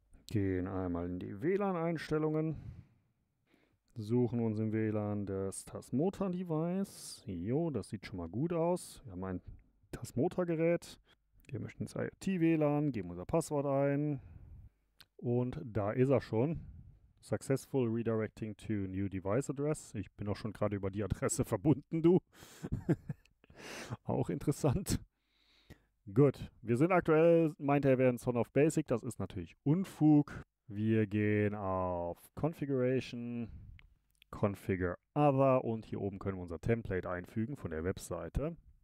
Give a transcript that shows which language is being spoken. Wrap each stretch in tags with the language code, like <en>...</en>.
<de>Gehen einmal in die WLAN-Einstellungen. Suchen uns im WLAN das Tasmota-Device. Jo, das sieht schon mal gut aus. Wir haben ein Tasmota-Gerät. Wir möchten ins IoT-WLAN, geben unser Passwort ein. Und da ist er schon.</de> <en>Successful redirecting to new device address.</en> <de>Ich bin auch schon gerade über die Adresse verbunden, du. Auch interessant. Gut, wir sind aktuell, meint er, wir wären Son of Basic. Das ist natürlich Unfug. Wir gehen auf Configuration. Configure Other und hier oben können wir unser Template einfügen von der Webseite.</de>